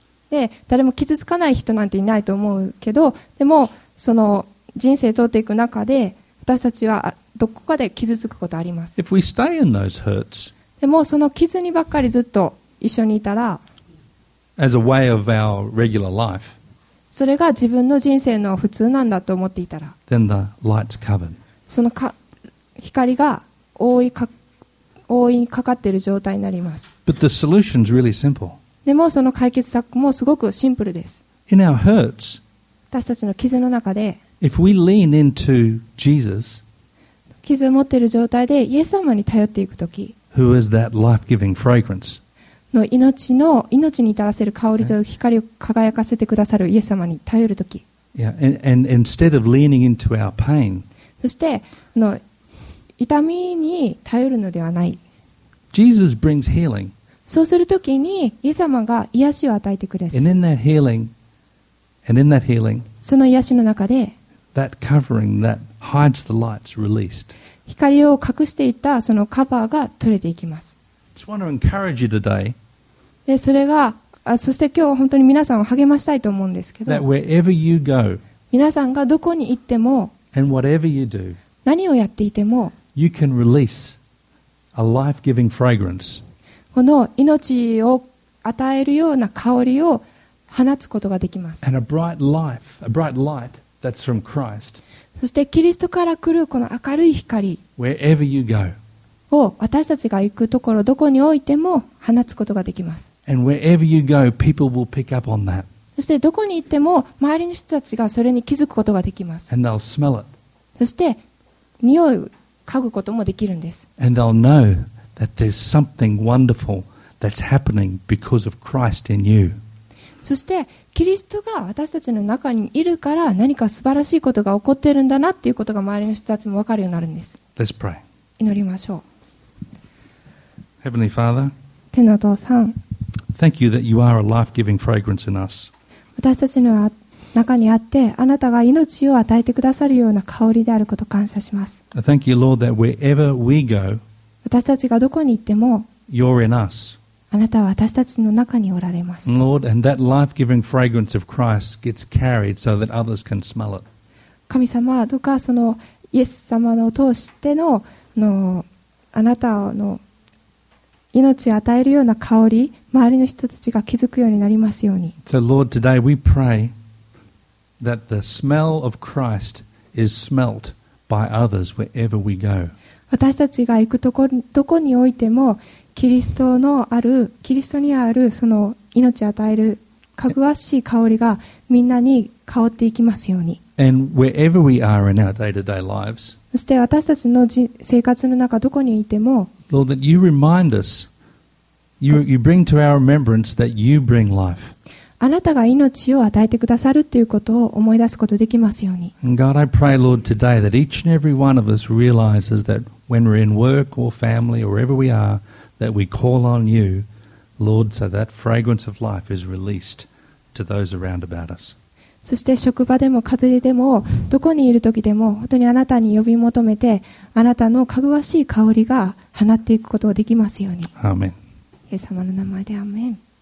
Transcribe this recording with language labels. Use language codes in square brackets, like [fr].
[ja] で誰も傷つかない人なんていないと思うけど、でもその人生を通っていく中で私たちはどこかで傷つくことあります。 [en] If we stay in those hurts, [ja] でもその傷にばっかりずっと一緒にいたら、 [en] as a way of our regular life, [ja] それが自分の人生の普通なんだと思っていたら、 [en] then the light's covered. [ja] その光が覆いかかっている状態になります。 [en] But the solution's really simple. [ja] でもその解決策もすごくシンプルです。 [en] In our hurts, [ja] 私たちの傷の中で、 [en] if we lean into Jesus, [ja] 傷を持っている状態でイエス様に頼っていくとき、 [en] who is that life-giving fragrance? [ja] の命に至らせる香りと光を輝かせてくださるイエス様に頼るとき、 [en] yeah, and instead of leaning into our pain, [ja] そしての痛みに頼るのではない。 [en] Jesus brings healing. [ja] そうするときにイエス様が癒しを与えてくれます。 [en] And in that healing, and in that healing, [ja] その癒しの中で、 [en] that covering that hides the light's released. [ja] 光を隠していたそのカバーが取れていきます。 [en] I just want to encourage you today. [ja] で、それが、そして今日本当に皆さんを励ましたいと思うんですけど、 [en] that wherever you go, [ja] 皆さんがどこに行っても、 [en] and whatever you do, [ja] 何をやっていても、 [en] you can release a life-giving fragrance. [ja] この命を与えるような香りを放つことができます。 [en] And a bright life, a bright light that's from Christ. [ja] そしてキリストから来るこの明るい光、 [en] wherever you go, [ja] を私たちが行くところどこにおいても放つことができます。 [en] And wherever you go, people will pick up on that. [ja] そしてどこに行っても周りの人たちがそれに気づくことができます。 [en] And they'll smell it. [ja] そして匂いを嗅ぐこともできるんです。 [en] And they'll know. That there's something wonderful that's happening because of Christ in you. [ja] そしてキリストが私たちの中にいるから何か素晴らしいことが起こっているんだなっていうことが周りの人たちも分かるようになるんです。 [en] Let's pray. [ja] 祈りましょう。 [en] Heavenly Father, [ja] 天のお父さん、 [en] Thank you that you are a life-giving fragrance in us. [ja] 私たちの中にあってあなたが命を与えてくださるような香りであることを感謝します。 [en] Thank you, Lord, that wherever we go. [ja] 私たちがどこに行っても、 [en] You're in us. [ja] あなたは私たちの中におられます。 [en] Lord, and that life-giving fragrance of Christ gets carried so that others can smell it. [ja] 神様、どうかそのイエス様のを通しての、あなたの命を与えるような香り、周りの人たちが気づくようになりますように。 [en] So Lord, today we pray that the smell of Christ is smelt by others wherever we go. [ja] 私たちが行くところどこにおいてもキリストにあるその命を与えるかぐわしい香りがみんなに香っていきますように。 [en] And wherever we are in our day-to-day lives, [ja] そして私たちの生活の中どこにいても、 [en] Lord, that you remind us, you bring to our remembrance that you bring life. [ja] あなたが命を与えてくださるということを思い出すことができますように。 [en] And God, I pray, Lord, today that each and every one of us realizes thatWhen we're in work or family or wherever we are, that we call on you, Lord, so that fragrance of life is released to those around about us. [ja] そして職場でも家庭でもどこにいる時でも本当にあなたに呼び求めてあなたのかぐわしい香りが放っていくことができますように。アーメン。イエス様の名前でアーメン。